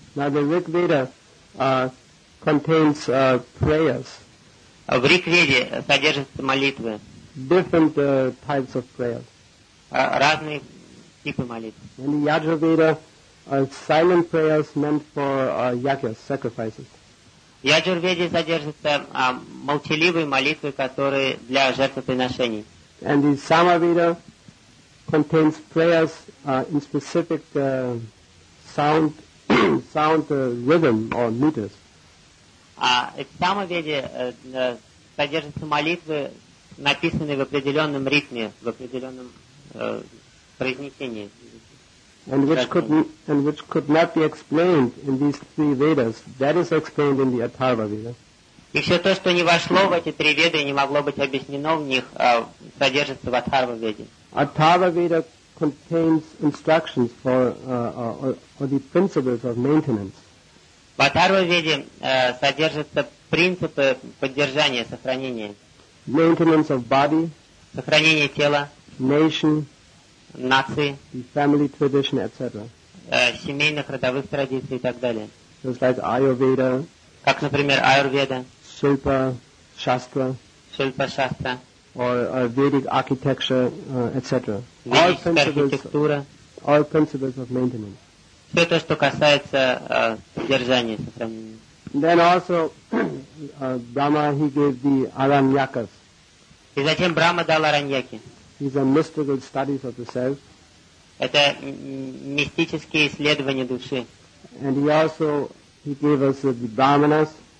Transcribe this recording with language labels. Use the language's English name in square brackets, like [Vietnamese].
[English] Now the Rig Veda contains prayers. [Russian] В Риг Веде содержатся молитвы. [English] Different types of prayers. [Russian] Разные типы молитв. [English] In the Yajra Veda silent prayers meant for yajnas, sacrifices. [Russian] В Яджурведе содержатся молчаливые молитвы, которые для жертвоприношений. [English] And the Самаведа contains prayers in specific sound rhythm or meters. [Russian] В Самаведе содержатся молитвы, написанные в определенном ритме, в определенном произнесении. [English] And which could not be explained in these three Vedas, that is explained in the Atharva Veda. [Russian] И все то, что не вошло в эти три веды, не могло быть объяснено в них, содержится в Atharva Veda. [English] Atharva Veda contains instructions for or the principles of maintenance. [Russian] В Atharva Veda содержатся принципы поддержания, сохранения. [English] Maintenance of body. [Russian] Сохранение тела. [English] Nation. [Russian] Нации, [English] the family tradition, etc. [Russian] Семейных, родовых традиций и так далее. [English] Just like Ayurveda, [Russian] как, например, Ayurveda, [English] Shilpa-Shastra, or Vedic architecture, etc. All principles of maintenance. [Russian] Все то, что касается содержания, сохранения. [English] Then also, Brahma, he gave the Аранньякас. [Russian] И затем Брахма дал Араньяки. [English] These are mystical studies of the self. [Russian] Это мистические исследования души. [English] And he gave us the brahmanas.